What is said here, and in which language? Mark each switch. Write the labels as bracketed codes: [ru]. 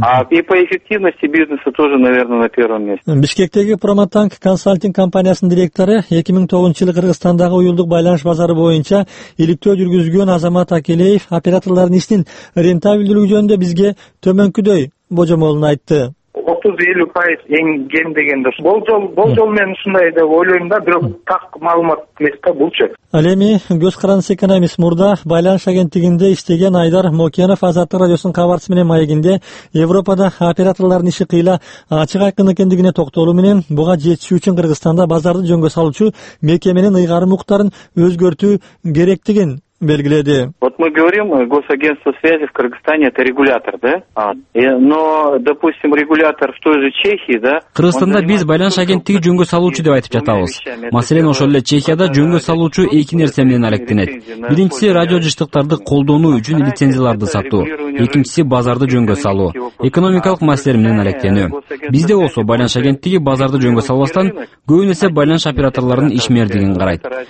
[ru] И по эффективности бизнеса тоже, наверное, на первом месте. [ky] Бишкектеги Проматанк консалтинг компаниясынын директору 2009-жылы Кыргызстандагы уюлдук байланыш базары боюнча иликтөө жүргүзгөн Азамат Акелеев операторлордун иштин рентабилдүүлүгү жөнүндө бизге төмөнкүдөй божомолун айтты. 30-50% эң кем дегенде болжол мен ушундай деп ойлойм да, бирок так маалымат эмес да булчу. Ал эми көз каранса экономист мурда байланыш агенттигинде иштеген Айдар Мокенов Азаттык радиосунун кабарчысы менен маегинде Европада операторлордун иши кыйла ачык айкын экендигине токтолуу менен буга жетиши үчүн Кыргызстанда базарды жөнгө салуучу мекеменин ыйгарым укуктарын өзгөртүү керектигин белгиледи. [ru] Вот мы говорим, госагентство связи в Кыргызстане это регулятор, да? Но, допустим, регулятор в той же Чехии, да? [ky] Кыргызстанда биз байланыш агенттиги жөнгө салуучу деп айтып жатабыз. Маселен, ошол эле Чехияда жөнгө салуучу эки нерсе менен алектенет. Биринчиси радио жыштыктарды колдонуу үчүн лицензияларды сатуу, экинчиси базарды жөнгө салуу, экономикалык маселелер менен алектенүү. Бизде болсо байланыш агенттиги базарды жөнгө салбастан, көбүнесе байланыш операторлорунун ишмердигин карайт.